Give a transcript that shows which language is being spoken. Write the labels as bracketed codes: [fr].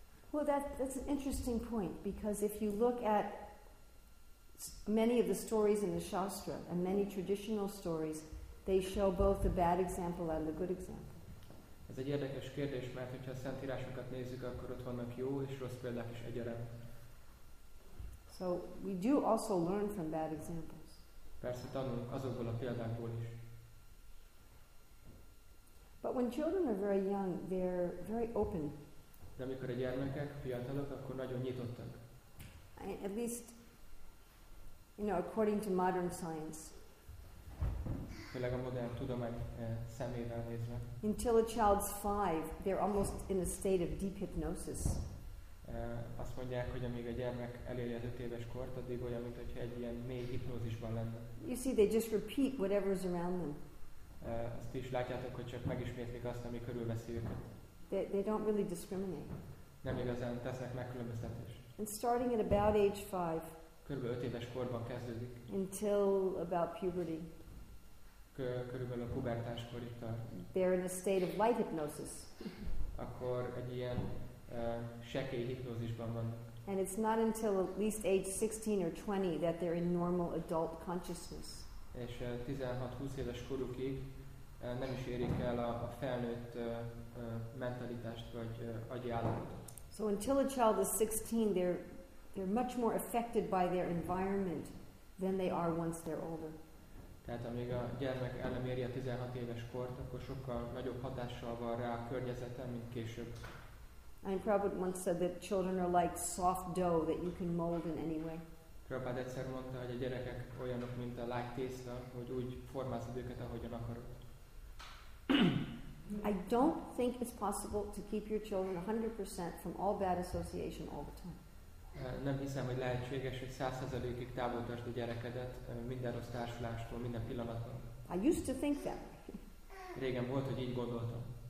[en] Well, that's an interesting point, because if you look at many of the stories in the Shastra and many traditional stories, they show both the bad example and the good example. [hu] Ez egy érdekes kérdés, mert hogyha a szentírásokat nézzük, akkor ott vannak jó és rossz példák is egyaránt. [en] So we do also learn from bad examples. [hu] Persze tanulunk azokból a példákból is. [en] But when children are very young, they're very open. [hu] De amikor a gyermekek fiatalok, akkor nagyon nyitottak. [en] At least, you know, according to modern science. [hu] Főleg a modern tudomány szemével nézve. [en] Until a child's five, they're almost in a state of deep hypnosis. [hu] Azt mondják, hogy amíg a gyermek eléri az 5 éves kort, addig olyan, mint hogyha egy ilyen mély hipnózisban lenne. [en] You see, they just repeat whatever is around them. [hu] Azt is látjátok, hogy csak megismétlik azt, ami körülveszi őket. [en] They don't really discriminate. [hu] Nem igazán tesznek megkülönböztetést. [en] And starting at about age 5. [hu] Körülbelül 5 éves korban kezdődik. [en] Until about puberty. [hu] Körülbelül a pubertás korig tart. [en] They're in a state of light hypnosis. [hu] Akkor egy ilyen sekély hipnózisban van. [en] And it's not until at least age 16 or 20 that they're in normal adult consciousness. [hu] És 16-20 éves korukig nem is érik el a felnőtt mentalitást vagy agyi állapotot. [en] So until a child is 16, they're much more affected by their environment than they are once they're older. [hu] Tehát amíg a gyermek el nem éri a 16 éves kort, akkor sokkal nagyobb hatással van rá a környezeten, mint később. [en] And Prabhupada once said that children are like soft dough that you can mold in any way. [hu] Prabhupada egyszer mondta, hogy a gyerekek olyanok, mint a light tészta, hogy úgy formázod őket, ahogyan akarod. [en] I don't think it's possible to keep your children 100% from all bad association all the time. [hu] Nem hiszem, hogy lehetséges, hogy 100%-ig távol tartsd a gyerekedet minden rossz társulástól, minden pillanatban. [en] I used to think that. [hu] Régen volt, hogy így gondoltam.